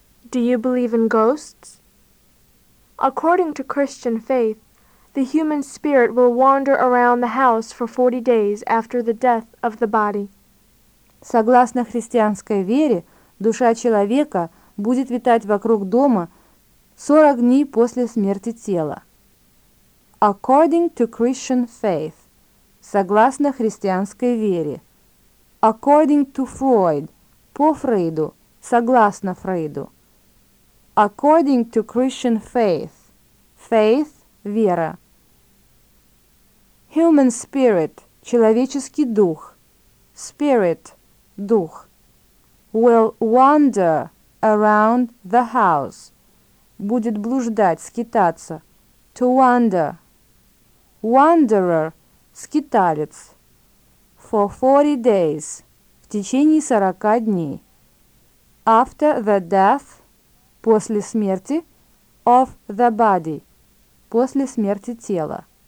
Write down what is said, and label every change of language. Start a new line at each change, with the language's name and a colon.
English: Do you believe in ghosts? According to Christian faith, the human spirit will wander around the house for 40 days after the death of the body.
Russian: Согласно христианской вере, душа человека будет витать вокруг дома 40 дней после смерти тела.
English: According to Christian faith,
Russian: согласно христианской вере.
English: According to Freud,
Russian: по Фрейду, согласно Фрейду.
English: According to Christian faith, faith, вера. Human spirit,
Russian: человеческий дух,
English: spirit, дух, will wander around the house,
Russian: будет блуждать, скитаться,
English: to wander, wanderer, скиталец, for 40 days,
Russian: в течение 40 дней,
English: after the death,
Russian: после смерти,
English: of the body,
Russian: после смерти тела.